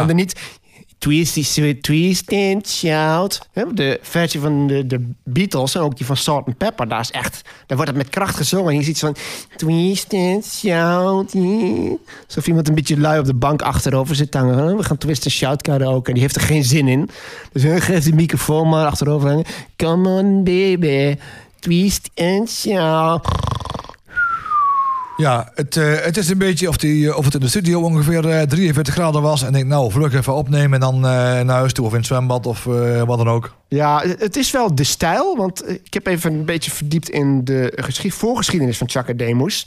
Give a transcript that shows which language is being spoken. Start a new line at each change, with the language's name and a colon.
Dutch: En dan niet twist and shout. De versie van de Beatles en ook die van Salt and Pepper, daar is echt, daar wordt het met kracht gezongen. Je ziet zo'n twist and shout. Alsof iemand een beetje lui op de bank achterover zit hangen. We gaan twist and shout karaoke. Die heeft er geen zin in. Dus geef die microfoon maar achterover hangen.
English: Come on baby, twist and shout.
Dutch: Ja, het is een beetje of het in de studio ongeveer 43 graden was. En denk, nou, vlug even opnemen en dan naar huis toe of in het zwembad of wat dan ook. Ja, het is wel de stijl. Want ik heb even een beetje verdiept in de voorgeschiedenis van Chaka Demus.